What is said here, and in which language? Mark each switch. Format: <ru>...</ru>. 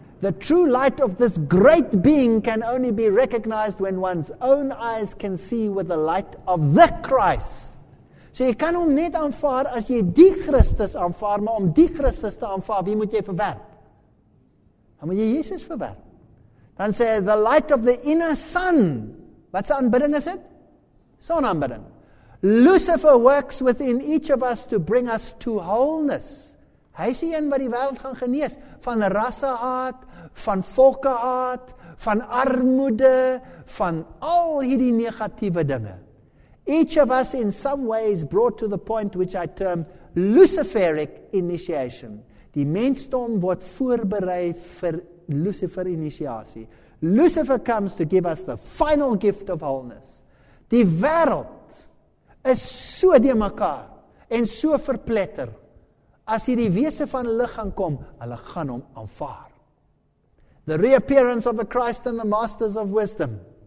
<en>The true light of this great being can only be recognized when one's own eyes can see with the light of the Christ.</en> <af>So jy kan hom net aanvaar as jy die Christus aanvaar, maar om die Christus te aanvaar, wie moet jy verwerp? Dan moet jy Jesus verwerp. Dan sê hy,</af> <en>the light of the inner sun.</en> <af>Wat sy aanbidding is dit? Son aanbidding.</af> <en>Lucifer works within each of us to bring us to wholeness.</en> <af>Hy is die een wat die wêreld gaan genees van rassehaat, van volkehaat, van armoede, van al hierdie negatiewe dinge.</af> <en>Each of us in some ways brought to the point which I term Luciferic initiation.</en> <af>Die mensdom word voorberei vir Lucifer initiasie.</af> <en>Lucifer comes to give us the final gift of wholeness.</en> <af>Die wêreld is so die mekaar en so verpletter. As hierdie wese van lig gaan kom, hulle gaan hom aanvaar.</af> <en>The reappearance of the Christ and the masters of wisdom.</en>